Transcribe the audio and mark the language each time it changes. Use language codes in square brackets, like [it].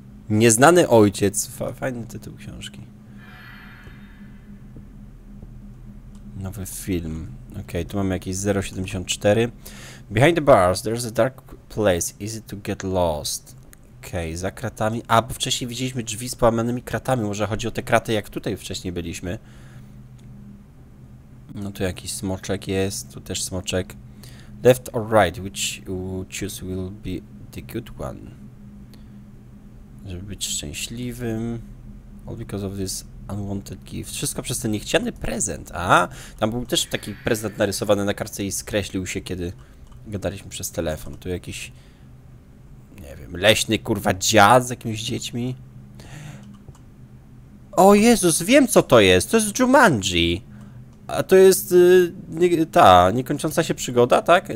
[pl] Nieznany ojciec. Fajny tytuł książki. Nowy film. Okej, okay, tu mamy jakieś 0,74. [en] Behind the bars, there's a dark place. Easy to get lost. [pl] Okej, okay, za kratami. A, bo wcześniej widzieliśmy drzwi z połamanymi kratami. Może chodzi o te kraty, jak tutaj wcześniej byliśmy. No tu jakiś smoczek jest, tu też smoczek. [en] Left or right, which you choose will be the good one. [pl] Żeby być szczęśliwym. [en] All because of this unwanted gift. [pl] Wszystko przez ten niechciany prezent. Aha, tam był też taki prezent narysowany na kartce i skreślił się, kiedy gadaliśmy przez telefon. Tu jakiś, nie wiem, leśny kurwa dziad z jakimiś dziećmi. O Jezus, wiem co to jest Jumanji. A to jest niekończąca się przygoda, tak?